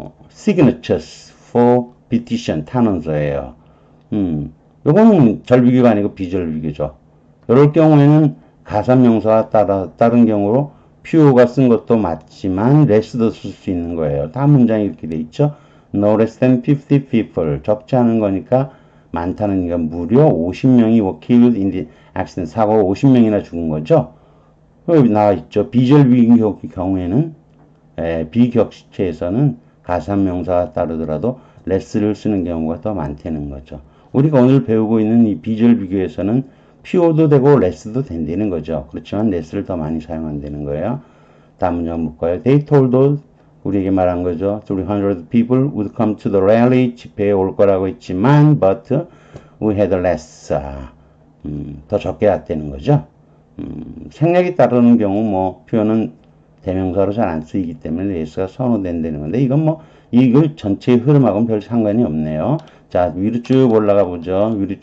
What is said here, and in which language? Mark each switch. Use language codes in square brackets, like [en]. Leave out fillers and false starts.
[en] signatures for petition, [ko] 탄원서예요. 요거는 절비교가 아니고 비절비교죠. 요럴 경우에는 가산명사와 다른 경우로 pure가 쓴 것도 맞지만 less도 쓸수 있는 거예요. [en] 다음 문장이 이렇게 돼 있죠. No less than 50 people. [ko] 적지 않은 거니까 많다는 게 무려 50명이 [en] were killed in the accident. [ko] 사고 50명이나 죽은 거죠. 여기 나와 있죠. 비절비교 경우에는 비격식체에서는 가산명사가 따르더라도 less를 쓰는 경우가 더 많다는 거죠. 우리가 오늘 배우고 있는 이 비절비교에서는 pure도 되고 less도 된다는 거죠. 그렇지만 less를 더 많이 사용한다는 거예요. 다음 문장 볼까요? [en] They told us, [ko] 우리에게 말한 거죠. [en] 300 people would come to the rally, [ko] 집회에 올 거라고 했지만, [en] but we had less. [ko] 더 적게 왔다는 거죠. 생략이 따르는 경우, 뭐, 표현은 대명사로 잘안 쓰이기 때문에 less가 선호된다는 건데, 이건 뭐, 이걸 전체의 흐름하고는 별 상관이 없네요. 자, 위로 쭉 올라가 보죠.